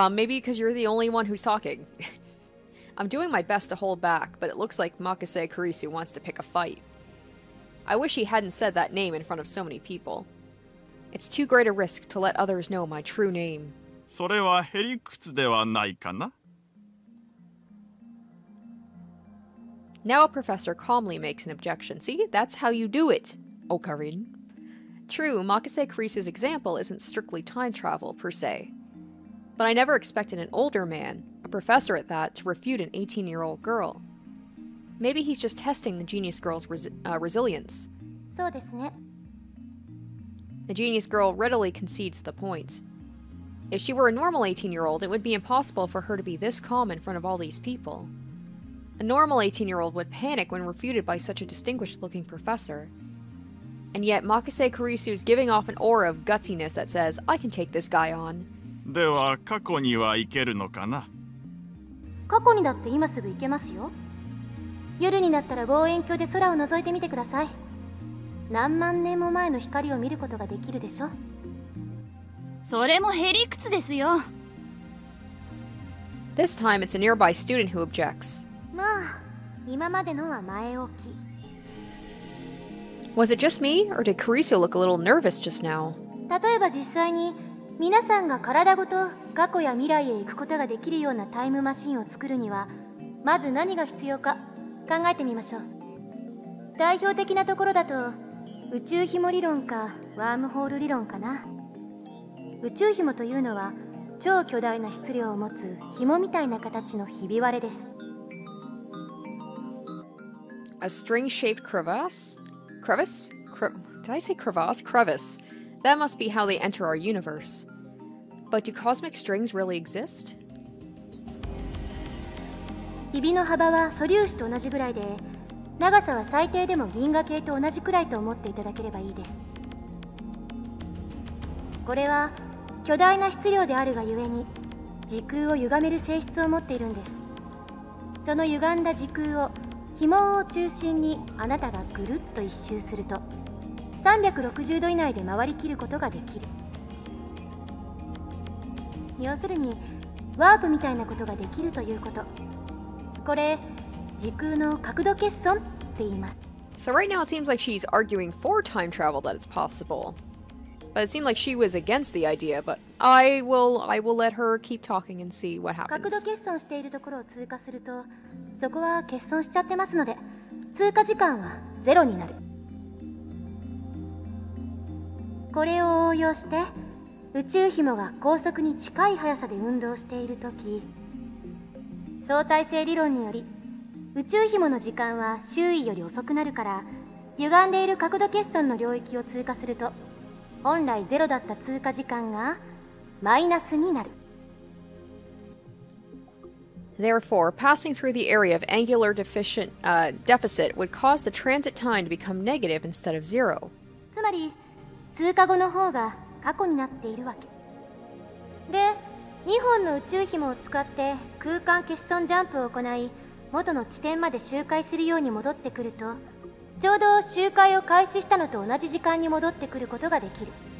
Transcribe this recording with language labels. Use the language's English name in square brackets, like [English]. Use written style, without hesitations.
[English] Maybe because you're the only one who's talking. I'm doing my best to hold back, but it looks like Makase Kurisu wants to pick a fight. I wish he hadn't said that name in front of so many people. It's too great a risk to let others know my true name. [Japanese] それはへりくつではないかな? [English] Now a professor calmly makes an objection. See, that's how you do it, Okarin. True, Makase Kurisu's example isn't strictly time travel, per se. But I never expected an older man, a professor at that, to refute an 18-year-old girl. Maybe he's just testing the genius girl's resilience. [Japanese] そうですね。 [English] The genius girl readily concedes the point. If she were a normal 18-year-old, it would be impossible for her to be this calm in front of all these people. A normal 18-year-old would panic when refuted by such a distinguished-looking professor. And yet, Makase Kurisu is giving off an aura of gutsiness that says, I can take this guy on. [Japanese] では、過去には行けるのかな? 過去にだって今すぐ行けますよ。夜になったら望遠鏡で空を覗いてみてください。何万年も前の光を見ることができるでしょ。それもへりくつですよ。 [English] This time, it's a nearby student who objects. [Japanese] まあ、今までのは前置き。 [English] Was it just me, or did Kurisu look a little nervous just now? [Japanese] 例えば実際に、皆さんが体ごと過去や未来へ行くことができるようなタイムマシンを作るには、まず何が必要か考えてみましょう。代表的なところだと、宇宙紐理論かワームホール理論かな。宇宙紐というのは、超巨大な質量を持つ紐みたいな形のひび割れです。 [English] A string-shaped crevice? That must be how they enter our universe. But do cosmic strings really exist? [Japanese] ヒビの幅は素粒子と同じぐらいで、長さは最低でも銀河系と同じくらいと思っていただければいいです。これは巨大な質量であるがゆえに、時空を歪める性質を持っているんです。その歪んだ時空を紐を中心にあなたがぐるっと一周すると360度以内で回りきることができる。要するにワープみたいなことができるということ。これ時空の角度欠損って言います。 [English] So right now it seems like she's arguing for time travel that it's possible. But it seemed like she was against the idea, but I will let her keep talking and see what happens. [Japanese] 角度欠損しているところを通過すると、そこは欠損しちゃってますので、通過時間はゼロになる。これを応用して、宇宙紐が高速に近い速さで運動しているとき、相対性理論により、宇宙紐の時間は周囲より遅くなるから、歪んでいる角度欠損の領域を通過すると、本来ゼロだった通過時間がマイナスになる。 [English] Therefore, passing through the area of angular deficit would cause the transit time to become negative instead of zero. [Japanese] つまり、通過後の方が過去になっているわけ。で、2本の宇宙紐を使って空間欠損ジャンプを行い、元の地点まで周回するように戻ってくると、ちょうど周回を開始したのと同じ時間に戻ってくることができる。